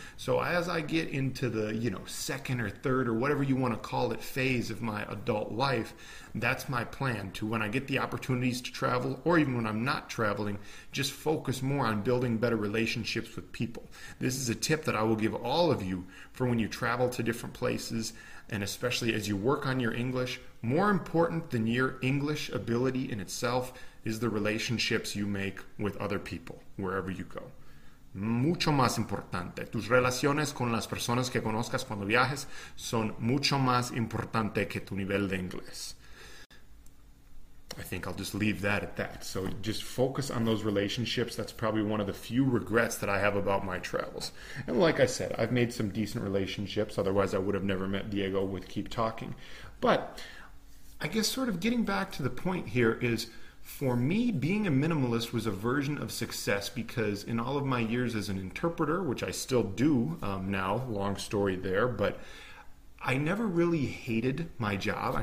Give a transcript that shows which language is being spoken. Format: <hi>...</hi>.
<en>So as I get into the, you know, second or third or whatever you want to call it phase of my adult life, that's my plan, to when I get the opportunities to travel, or even when I'm not traveling, just focus more on building better relationships with people. This is a tip that I will give all of you for when you travel to different places, and especially as you work on your English. More important than your English ability in itself is the relationships you make with other people wherever you go.</en> <es>Mucho más importante. Tus relaciones con las personas que conozcas cuando viajes son mucho más importante que tu nivel de inglés.</es> <en>I think I'll just leave that at that. So just focus on those relationships. That's probably one of the few regrets that I have about my travels. And like I said, I've made some decent relationships. Otherwise, I would have never met Diego with Keep Talking. But I guess sort of getting back to the point here is, for me, being a minimalist was a version of success, because in all of my years as an interpreter, which I still do now, long story there, but I never really hated my job.</en>